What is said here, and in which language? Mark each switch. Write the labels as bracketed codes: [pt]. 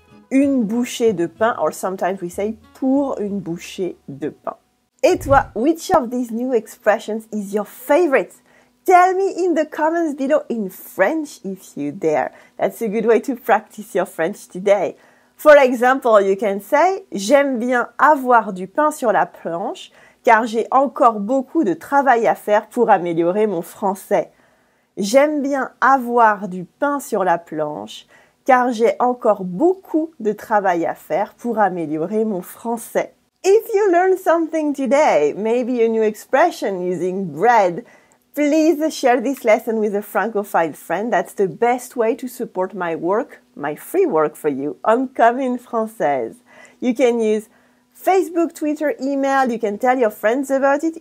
[fr] Une bouchée de pain, [en] or sometimes we say [fr] pour une bouchée de pain. Et toi, [en] which of these new expressions is your favorite? Tell me in the comments below in French if you dare. That's a good way to practice your French today. For example, you can say, [fr] j'aime bien avoir du pain sur la planche, car j'ai encore beaucoup de travail à faire pour améliorer mon français. J'aime bien avoir du pain sur la planche, car j'ai encore beaucoup de travail à faire pour améliorer mon français. [en] If you learned something today, maybe a new expression using bread, please share this lesson with a Francophile friend. That's the best way to support my work, my free work for you on Comme une Française. You can use Facebook, Twitter, email. You can tell your friends about it.